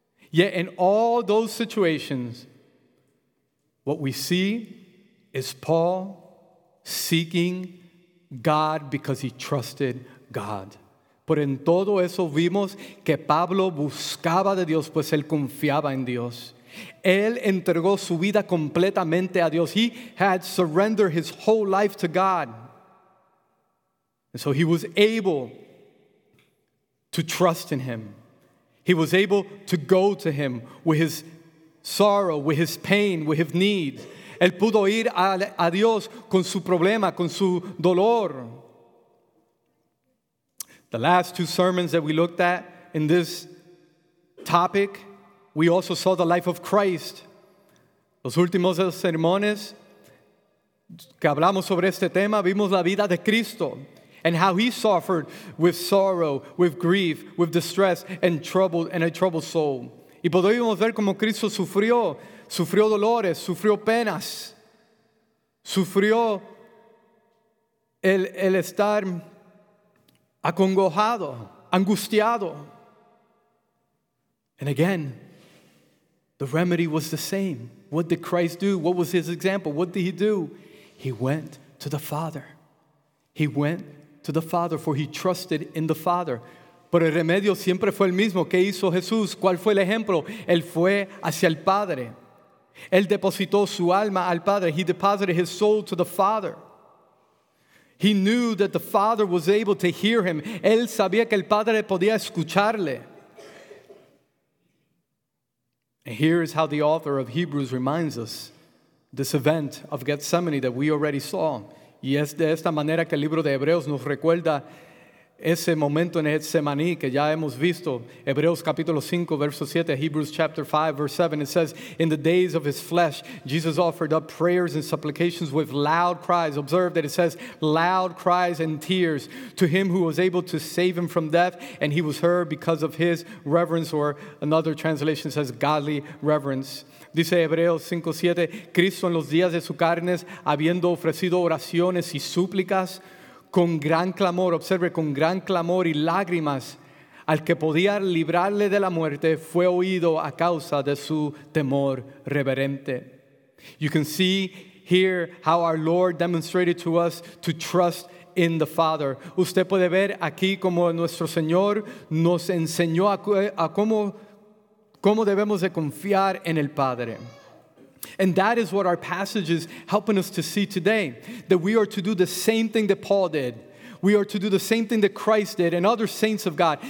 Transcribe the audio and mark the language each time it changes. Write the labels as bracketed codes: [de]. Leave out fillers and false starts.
[en] Yet in all those situations, what we see is Paul seeking God because he trusted God. [es] Por en todo eso vimos que Pablo buscaba de Dios, pues él confiaba en Dios. Él entregó su vida completamente a Dios. [en] He had surrendered his whole life to God. And so he was able to trust in him. He was able to go to him with his sorrow, with his pain, with his need. [es] Él pudo ir a Dios con su problema, con su dolor. [en] The last two sermons that we looked at in this topic, we also saw the life of Christ. [es] Los últimos sermones que hablamos sobre este tema, vimos la vida de Cristo [en] and how he suffered with sorrow, with grief, with distress and trouble and a troubled soul. [es] Y podemos ver cómo Cristo sufrió dolores, sufrió penas, sufrió el estar acongojado, angustiado. [en] And again, the remedy was the same. What did Christ do? What was his example? What did he do? He went to the Father. He went to the Father, for he trusted in the Father. [es] Pero el remedio siempre fue el mismo. ¿Qué hizo Jesús? ¿Cuál fue el ejemplo? Él fue hacia el Padre. Él depositó su alma al Padre. [en] He deposited his soul to the Father. He knew that the Father was able to hear him. [es] Él sabía que el Padre podía escucharle. [en] And here is how the author of Hebrews reminds us this event of Gethsemane that we already saw. [es] Y es de esta manera que el libro de Hebreos nos recuerda ese momento en Getsemaní que ya hemos visto. Hebreos capítulo 5, verso 7, [en] Hebrews chapter 5, verse 7. It says, in the days of his flesh, Jesus offered up prayers and supplications with loud cries. Observe that it says, loud cries and tears to him who was able to save him from death, and he was heard because of his reverence, or another translation says, godly reverence. [es] Dice Hebreos 5, 7, Cristo en los días de su carne, habiendo ofrecido oraciones y súplicas, con gran clamor, observe, con gran clamor y lágrimas, al que podía librarle de la muerte, fue oído a causa de su temor reverente. [en] You can see here how our Lord demonstrated to us to trust in the Father. [es] Usted puede ver aquí como nuestro Señor nos enseñó a cómo debemos de confiar en el Padre. [en] And that is what our passage is helping us to see today, that we are to do the same thing that Paul did. We are to do the same thing that Christ did and other saints of God.